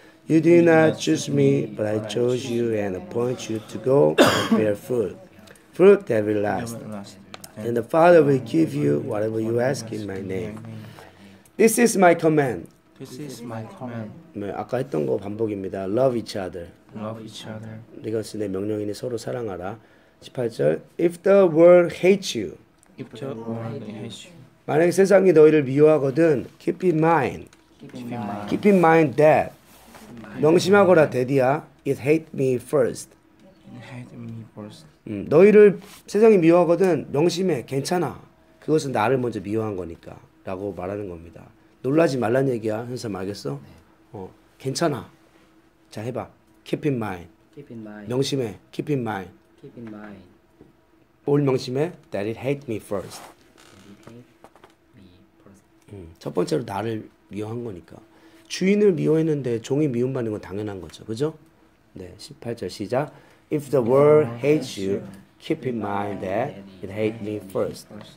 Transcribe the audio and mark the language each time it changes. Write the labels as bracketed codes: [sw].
[en] You did not choose me, but I chose you and appoint you to go and bear fruit. Fruit that will last. And the Father will give you whatever you ask in my name. This is my command. This is my command. [ko] 네, 아까 했던 거 반복입니다. [en] Love each other. Love each other. [ko] 이것은 내 명령이니 서로 사랑하라. 18절. [en] If the world hates you. If the world hates you. [ko] 만약 세상이 너희를 미워하거든, [en] keep in mind. Keep in mind. Keep in mind that. [ko] 명심하거라, 대디야. [en] It hate me first. It hate me first. [ko] 너희를 세상이 미워하거든, 명심해. 괜찮아. 그것은 나를 먼저 미워한 거니까. 라고 말하는 겁니다. 놀라지 말란 얘기야. 현삼 알겠어? 네. 어, 괜찮아. 자, 해봐. [en] Keep in mind. Keep in mind. [ko] 명심해. [en] Keep in mind. Keep in mind. [ko] 뭘 명심해? [en] That it hate me first. That it hate me first. [ko] 첫 번째로 나를 미워한 거니까. 주인을 미워했는데 종이 미움받는 건 당연한 거죠. 그죠? 네, 18절 시작. [en] If the world hates you, keep in mind that it hate me first.